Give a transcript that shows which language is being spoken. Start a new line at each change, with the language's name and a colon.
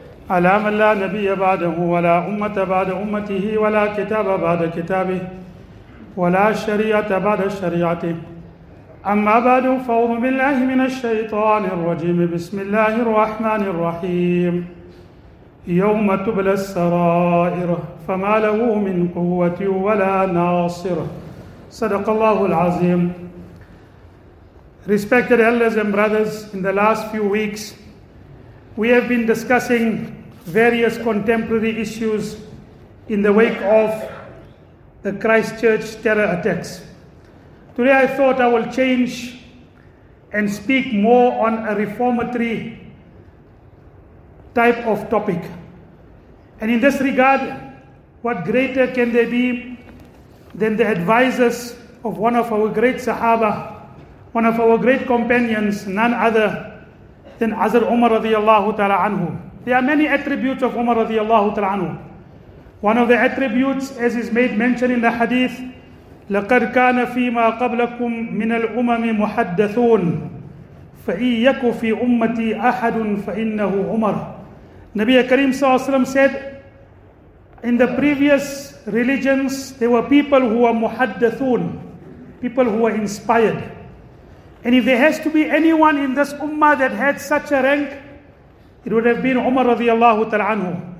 Arabic: على من لا نبي بعده ولا أمة بعد أمته ولا كتاب بعد كتابه ولا شريعة بعد شريعته أما بعد فأعوذ بالله من الشيطان الرجيم بسم الله الرحمن الرحيم يوم تبلى السرائر فما له من قوة ولا ناصر صدق الله العظيم.
English: Respected elders and brothers, in the last few weeks we have been discussing various contemporary issues in the wake of the Christchurch terror attacks. Today I thought I will change and speak more on a reformatory type of topic. And in this regard, what greater can there be than the advisors of one of our great Sahaba, one of our great companions, none other than Hazrat Umar radiallahu ta'ala anhu. There are many attributes of Umar radiallahu ta'ala anhu. One of the attributes, as is made mention in the hadith,
Arabic: لَقَدْ كَانَ فِي مَا قَبْلَكُمْ مِنَ الْأُمَمِ مُحَدَّثُونَ فَإِنْ يَكُ فِي أُمَّتِي أَحَدٌ فَإِنَّهُ عُمَرٌ.
English: Nabi Kareem sallallahu alayhi wa sallam said, in the previous religions, there were people who were muhaddathun, people who were inspired. And if there has to be anyone in this ummah that had such a rank, it would have been Umar radiallahu ta'ala anhu.